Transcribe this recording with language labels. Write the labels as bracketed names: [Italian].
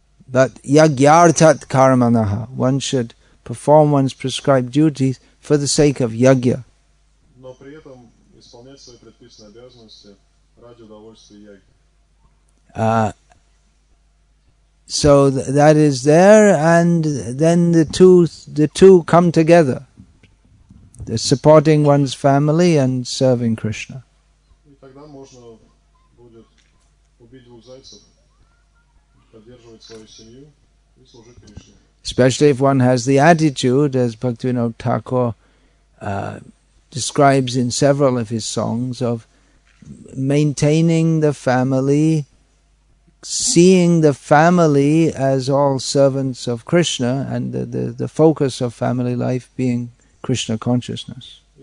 [English] But [Sanskrit] yagyartat karmanaha, [English] one should perform one's prescribed duties for the sake of yagya. [Russian] Но при этом исполнять свои предписанные обязанности ради удовольствия яги. [English] So that is there, and then the two come together. The supporting one's family and serving Krishna. [Russian] И тогда можно будет убить двух зайцев, поддерживать свою семью и служить Кришне. [English] Especially if one has the attitude, as Bhaktivinoda Thakur describes in several of his songs, of maintaining the family, seeing the family as all servants of Krishna, and the focus of family life being Krishna consciousness.